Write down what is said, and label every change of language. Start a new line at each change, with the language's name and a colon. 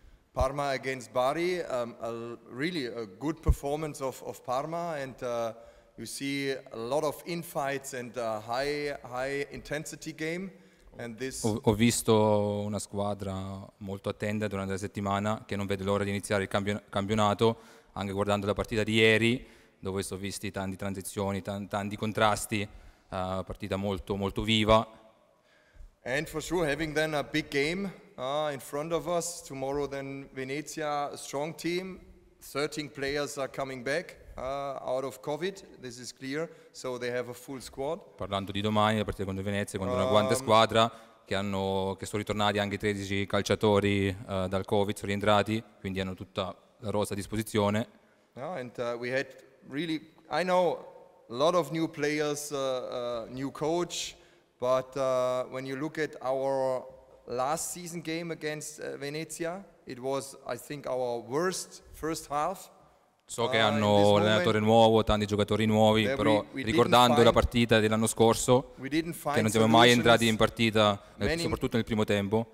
English: Parma against Bari, a really good performance of Parma, and you see a lot of infights and a high intensity game. And this
Italian: ho visto una squadra molto attenta durante la settimana che non vede l'ora di iniziare il campionato, anche guardando la partita di ieri, dove sono visti tante transizioni, tanti contrasti, partita molto, molto viva.
English: And for sure, having then a big game in front of us tomorrow, then Venezia, a strong team, 13 players are coming back out of COVID. This is clear, so they have a full squad.
Italian: Parlando di domani, la partita contro Venezia, contro una grande squadra che sono ritornati anche 13 calciatori dal COVID, sono rientrati, quindi hanno tutta la rosa a disposizione.
English: We had really, I know, a lot of new players, new coach. But when you look at our last season game against Venezia, it was, I think, our worst first half.
Italian: So che hanno allenatore nuovo, tanti giocatori nuovi, però ricordando la partita dell'anno scorso, che non siamo mai entrati in partita, soprattutto nel primo tempo.